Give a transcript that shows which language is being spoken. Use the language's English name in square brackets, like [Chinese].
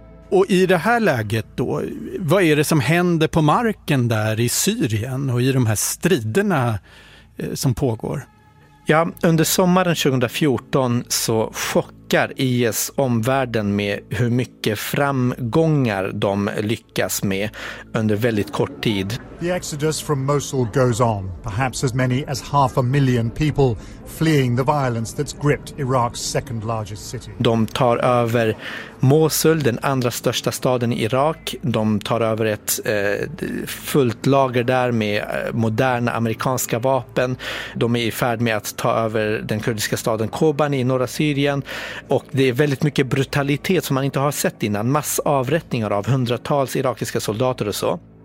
[Swedish] Och i det här läget då, vad är det som händer på marken där i Syrien och i de här striderna som pågår? Ja, under sommaren 2014 så chockar IS omvärlden med hur mycket framgångar de lyckas med under väldigt kort tid. [English] The exodus from Mosul goes on, perhaps as many as 500,000 people fleeing the violence that's gripped Iraq's second largest city. [Swedish] De tar över Mosul, den andra största staden i Irak. De tar över ett fullt lager där med moderna amerikanska vapen. De är i färd med att ta över den kurdiska staden Kobani i norra Syrien. Och det är väldigt mycket brutalitet som man inte har sett innan. Massavrättningar av hundratals irakiska soldater och så.